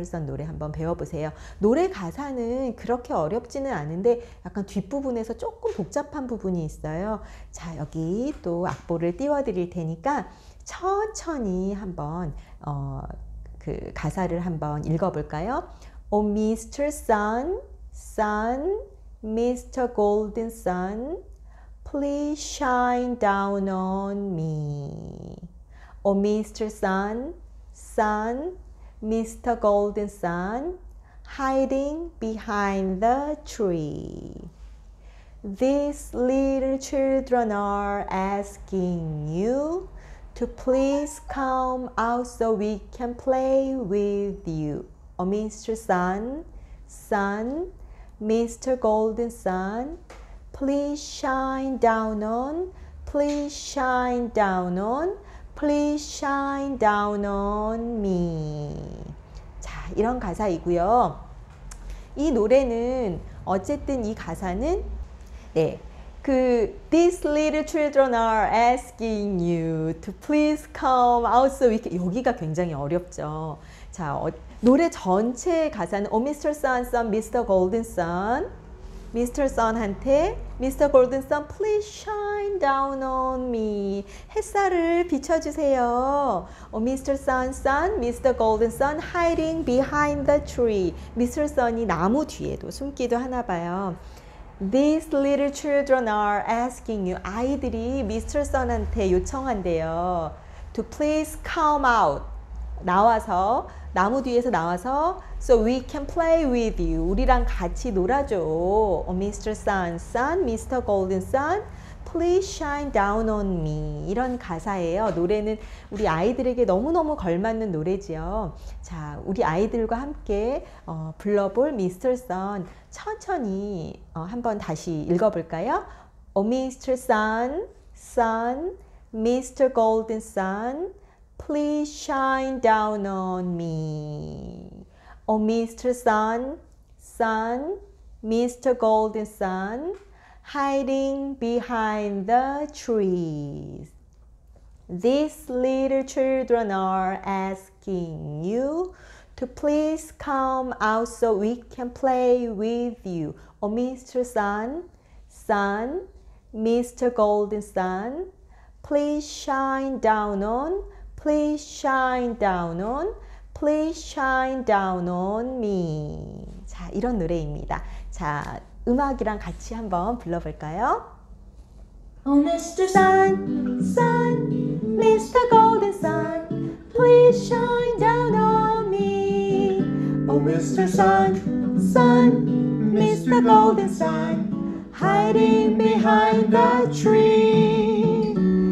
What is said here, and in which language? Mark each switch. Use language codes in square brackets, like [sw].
[ko] Sun 노래 한번 배워보세요. 노래 가사는 그렇게 어렵지는 않은데 약간 뒷부분에서 조금 복잡한 부분이 있어요. 자, 여기 또 악보를 띄워드릴 테니까 천천히 한번 그 가사를 한번 읽어볼까요? [en] Oh Mr. Sun, Sun, Mr. Golden Sun, Please shine down on me. Oh, Mr. Sun, Sun, Mr. Golden Sun, hiding behind the tree. These little children are asking you to please come out so we can play with you. Oh, Mr. Sun, Sun, Mr. Golden Sun, Please shine down on, please shine down on, please shine down on me. [ko] 자, 이런 가사이고요. 이 노래는 어쨌든 이 가사는 네, 그 [en] These little children are asking you to please come out so we can. [ko] 여기가 굉장히 어렵죠. 자, 노래 전체 가사는 Oh, Mr. [en] Sun, Sun, Mr. Golden Sun. Mr. Sun한테 Mr. Golden Sun, please shine down on me. [ko] 햇살을 비춰주세요. [en] Oh, Mr. Sun, Sun, Mr. Golden Sun, hiding behind the tree. Mr. [ko] Sun이 나무 뒤에도 숨기도 하나 봐요. [en] These little children are asking you. [ko] 아이들이 Mr. Sun한테 요청한대요. [en] To please come out. [ko] 나와서 나무 뒤에서 나와서 [en] So we can play with you. [ko] 우리랑 같이 놀아줘. [en] Oh, Mr. Sun, Sun, Mr. Golden Sun, Please shine down on me. [ko] 이런 가사예요. 노래는 우리 아이들에게 너무너무 걸맞는 노래지요. 자, 우리 아이들과 함께 불러볼 Mr. Sun 천천히 한번 다시 읽어볼까요? [en] Oh, Mr. Sun, Sun, Mr. Golden Sun, Please shine down on me. Oh, Mr. Sun, Sun, Mr. Golden Sun, hiding behind the trees. These little children are asking you to please come out so we can play with you. Oh, Mr. Sun, Sun, Mr. Golden Sun, please shine down on Please shine down on, please shine down on me. [ko] 자, 이런 노래입니다. 자, 음악이랑 같이 한번 불러볼까요? [en] Oh, Mr. Sun, Sun, Mr. Golden Sun, please shine down on me. Oh, Mr. Sun, Sun, Mr. Golden Sun, hiding behind the tree.